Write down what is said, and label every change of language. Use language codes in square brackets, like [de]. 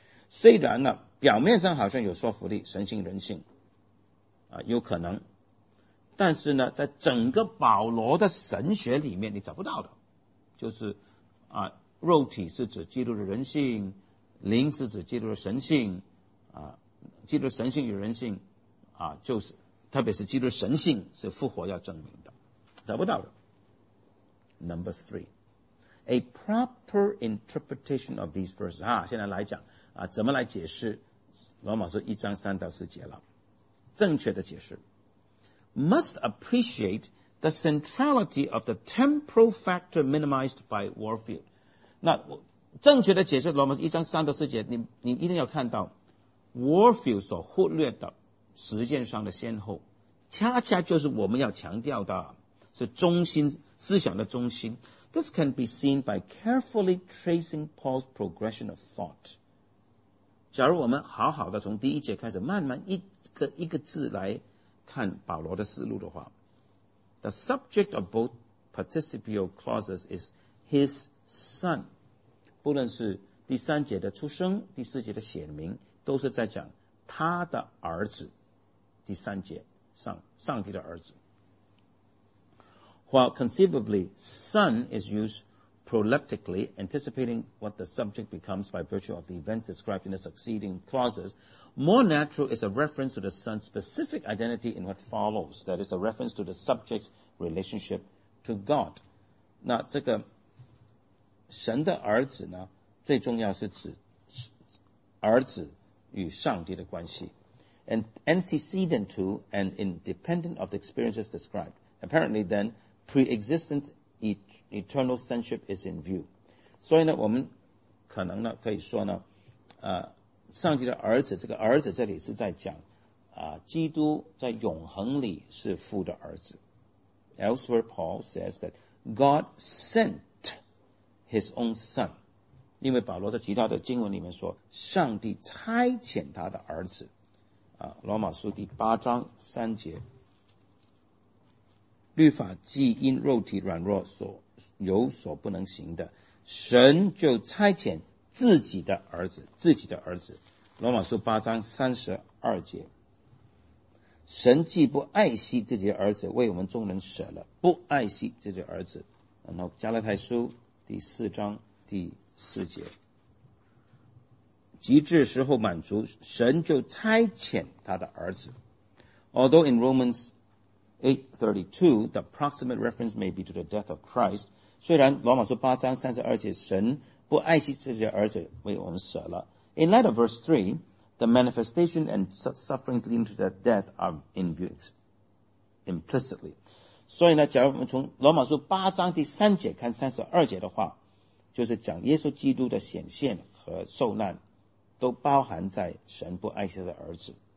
[zh] 虽然呢，表面上好像有说服力，神性人性，啊，有可能，但是呢，在整个保罗的神学里面，你找不到的，就是啊，肉体是指基督的人性，灵是指基督的神性，啊，基督神性与人性，啊，就是特别是基督神性是复活要证明的，找不到的。 [en] Number three, a proper interpretation of these verses. [zh] 啊，现在来讲啊，怎么来解释罗马书一章3-4节了？正确的解释 [en] must appreciate the centrality of the temporal factor minimized by worldview. [zh] 那正确的解释罗马一章三到四节，你一定要看到 worldview 所忽略的时间上的先后，恰恰就是我们要强调的是中心思想的中心。 [en] This can be seen by carefully tracing Paul's progression of thought. [zh] 假如我们好好的从第一节开始，慢慢一个一个字来看保罗的思路的话 ， [en] the subject of both participial clauses is his son. [zh] 不论是第三节的出生，第四节的显明，都是在讲他的儿子。第三节上帝的儿子。 [en] While conceivably son is used proleptically, anticipating what the subject becomes by virtue of the events described in the succeeding clauses, more natural is a reference to the son's specific identity in what follows, that is a reference to the subject's relationship to God. [zh] 那这个神的儿子呢，最重要是指儿子与上帝的关系。 [en] And antecedent to and independent of the experiences described. Apparently then,pre-existent eternal sonship is in view. [zh] 所以呢我们可能呢可以说呢上帝的儿子，这个儿子这里是在讲基督在永恒里是父的儿子。 [en] Elsewhere, Paul says that God sent his own son. [zh] 因为保罗在其他的经文里面说上帝差遣他的儿子。罗马书第八章三节。律法既因肉体软弱所有所不能行的，神就差遣自己的儿子，自己的儿子。罗马书八章三十二节，神既不爱惜自己的儿子，为我们众人舍了，不爱惜自己的儿子。然后加拉太书第四章第四节，极致时候满足，神就差遣他的儿子。 [en] Although in Romans 8:32, the approximate reference may be to the death of Christ. [zh] 虽然罗马书八章三十二节神不爱惜自己的儿子为我们舍了。 [en] In light of verse 3, the manifestation and suffering leading to that death are in view implicitly. [zh] 所以呢假如我们从罗马书八章第三节看三十二节的话，就是讲耶稣基督的显现和受难都包含在神不爱惜的儿子。